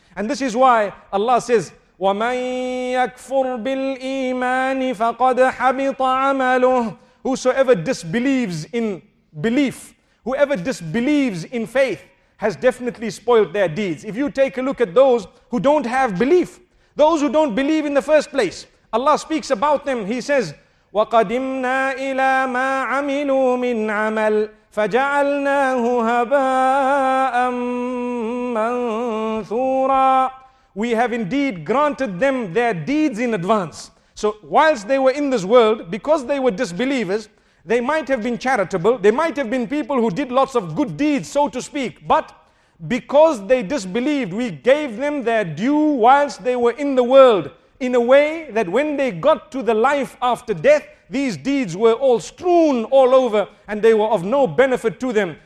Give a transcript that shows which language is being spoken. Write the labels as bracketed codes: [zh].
[en] And this is why Allah says, [ar] وَمَن يَكْفُرْ بِالْإِيمَانِ فَقَدْ حَبِطَ عَمَلُهُ. [en] Whosoever disbelieves in belief, whoever disbelieves in faith, has definitely spoiled their deeds. If you take a look at those who don't have belief, those who don't believe in the first place, Allah speaks about them. He says, [ar] وَقَدِمْنَا إِلَىٰ مَا عَمِلُوا مِنْ عَمَلٍ فَجَعَلْنَاهُ هَبَاءً مَنْثُورًا. [en] We have indeed granted them their deeds in advance. So whilst they were in this world, because they were disbelievers, they might have been charitable, they might have been people who did lots of good deeds, so to speak, but because they disbelieved, we gave them their due whilst they were in the world, in a way that when they got to the life after death, these deeds were all strewn all over and they were of no benefit to them.